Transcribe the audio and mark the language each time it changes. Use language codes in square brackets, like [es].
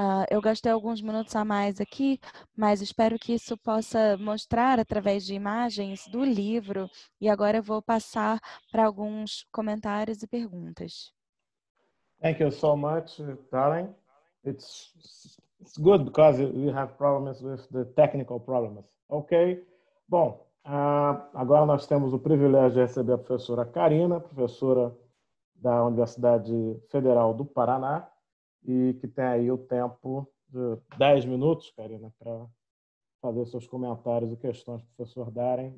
[pt] Eu gastei alguns minutos a mais aqui, mas espero que isso possa mostrar através de imagens do livro. E agora eu vou passar para alguns comentários e perguntas. [en] Thank you so much, darling. It's good because we have problems with the technical problems. Okay. [pt] Bom, agora nós temos o privilégio de receber a professora Karina, professora da Universidade Federal do Paraná, e que tem aí o tempo de 10 minutos, Karina, para fazer seus comentários e questões para o professor Darren.